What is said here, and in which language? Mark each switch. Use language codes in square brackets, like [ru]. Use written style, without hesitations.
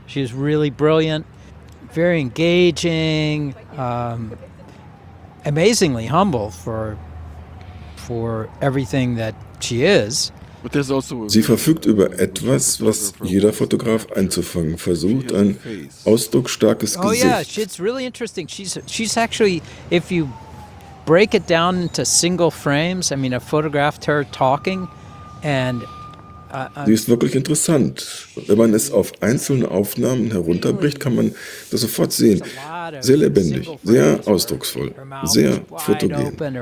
[en] She's really brilliant, very engaging, amazingly humble for everything that she is. [de] Sie verfügt über etwas, was jeder Fotograf einzufangen versucht, ein ausdrucksstarkes Gesicht. [en] Oh yeah, she's really interesting. She's actually, if you break it down into single frames, I mean, I photographed her talking and [de] sie ist wirklich interessant. Wenn man es auf einzelne Aufnahmen herunterbricht, kann man das sofort sehen. Sehr lebendig, sehr ausdrucksvoll, sehr fotogen.